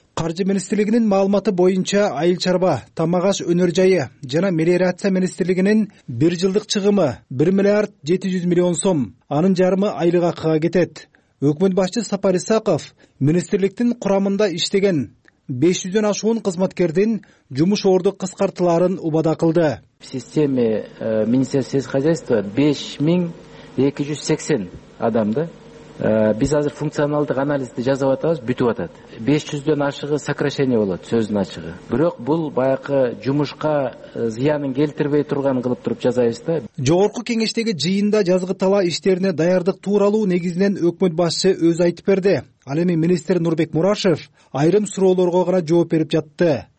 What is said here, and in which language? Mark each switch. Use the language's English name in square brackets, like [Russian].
[Kyrgyz] Каржы министрлигинин маалыматы боюнча айыл чарба, тамак аш өнөр жайы жана мелиорация министрлигинин бир жылдык чыгымы 1,700,000,000 сом, анын жарымы айлык акыга кетет. Өкмөт башчысы Сапар Исаков министрликтин курамында иштеген 500 ашуун кызматкердин жумуш орду кыскартыларын убада кылды. [Russian] В системе Министерства сельского хозяйства 5280 [Kyrgyz] адам да. Биз азыр функционалдык анализди жасап атабыз, бүтүп атат. 500 ашыгы сокращение болот, сөздүн ачыгы. Бирок бул баякы жумушка зыянын келтирбей турган кылып туруп жазабыз да. Жогорку кеңештеги жыйында жазгы талаа иштерине даярдык тууралуу негизинен өкмөт башчы өзү айтып берди. Ал эми министр Нурбек Мурашев айрым суроолорго гана жооп берип жатты.